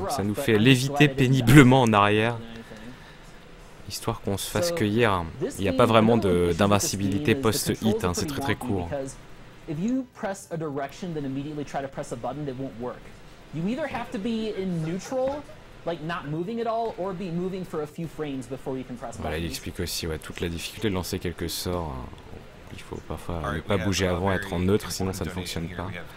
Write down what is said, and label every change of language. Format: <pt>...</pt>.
<fr>Ça nous fait léviter péniblement en arrière, histoire qu'on se fasse cueillir. Il n'y a pas vraiment d'invincibilité post-hit, hein, c'est très très court. Si vous pressez une direction, puis immédiatement essayez de presser un bouton, ça ne fonctionnera pas. Vous devez soit être en neutral.</fr> <en>Like not moving at all, or be moving for a few frames before you can press.</en> <fr>Voilà, il explique aussi, ouais, toute la difficulté de lancer quelques sorts. Hein. Il faut parfois ne pas bouger avant, être en neutre, sinon ça ne fonctionne pas.</fr>